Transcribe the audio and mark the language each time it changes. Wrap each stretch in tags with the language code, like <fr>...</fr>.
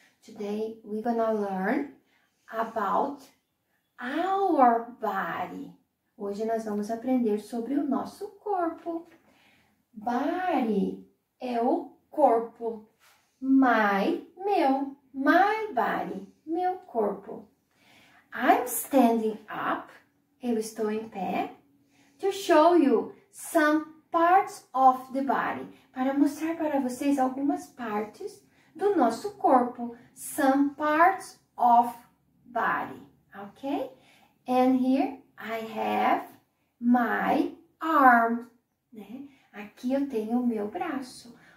<en>Today we're gonna learn about our body.</en> <pt>Hoje nós vamos aprender sobre o nosso corpo. Body é o corpo. My, meu.</pt> <en>My body,</en> <pt>meu corpo.</pt> <en>I'm standing up.</en> <pt>Eu estou em pé.</pt> <en>To show you some parts of the body.</en> <pt>Para mostrar para vocês algumas partes do nosso corpo.</pt> <en>Some parts of body. Ok? And here I have my arm. Né?</en> <pt>Aqui eu tenho o meu braço.</pt>